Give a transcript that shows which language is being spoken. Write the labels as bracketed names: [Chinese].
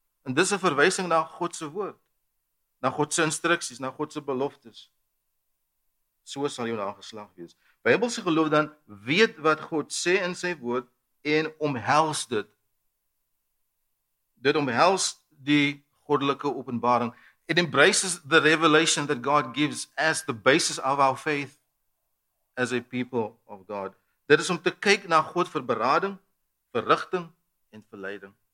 [Afrikaans] En dis 'n verwysing na Godse woord, na Godse instruksies, na Godse beloftes. So sal jou nageslag wees. Bybelse geloof dan weet wat God sê in sy woord en omhels dit. Dit omhels die goddelike openbaring. [English] It embraces the revelation that God gives as the basis of our faith as a people of God. [Afrikaans] Dit is om te kyk na God vir berading, vir rigting en verleiding.